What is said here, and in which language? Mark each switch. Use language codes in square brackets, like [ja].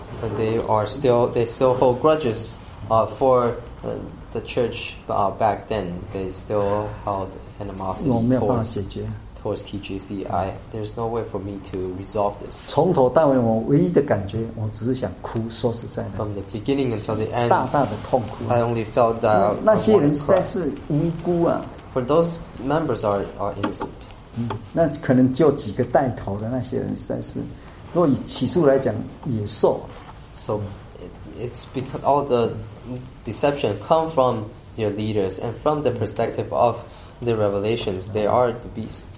[en] but they still hold grudges for the church back then. They still held animosity towards TGC. There's no way for me to resolve this. [zh] 从头到尾我唯一的感觉, 我只是想哭, 说实在的, [en] from the beginning until the end, [zh] 大大的痛苦, [en] I only felt that [zh] 那些人实在是无辜啊。 [en] But those members are innocent. [zh] 那可能就几个带头的那些人实在是, 若以起诉来讲, 也受。 [en] So it's because all the deception come from their leaders, and from the perspective of the revelations, they are the beasts.